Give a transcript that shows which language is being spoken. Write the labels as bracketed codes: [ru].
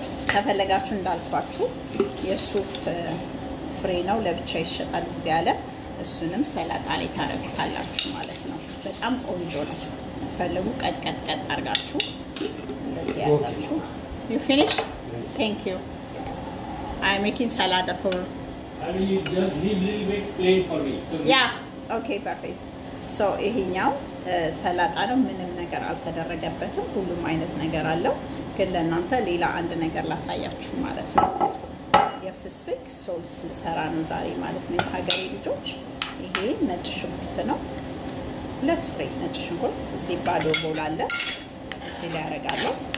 [am] ከፈለጋችሁ እንዳልኳችሁ የሱፍ ፍሬ ነው ለብቻ ይሸጣል እዚህ ያለ እሱንም ሰላጣ ላይ ታረጋታላችሁ ማለት ነው በጣም ቆንጆ ነው ፈልጉ ቀጥቀጥቀጥ አርጋችሁ እንደዚህ ያላችሁ [en] you finish thank you I'm making salad for I need just a little bit plain for me yeah okay perfect so [am] ይሄኛው ሰላጣ ነው ምንም ነገር አልተደረገበትም ሁሉም አይነት ነገር አለው ግን ለእናንተ ሌላ አንድ ነገር ላሳያችሁ ማለት ነው የፍስክ ሶስ ሰራ ነው ዛሬ ማለት ነው ሀገሬ ልጆች ይሄ ነጭ ሽንኩርት ነው ሁለት ፍሬ ነጭ ሽንኩርት እዚህ ባዶ ቦል አለ እዚህ ላይ አረጋለሁ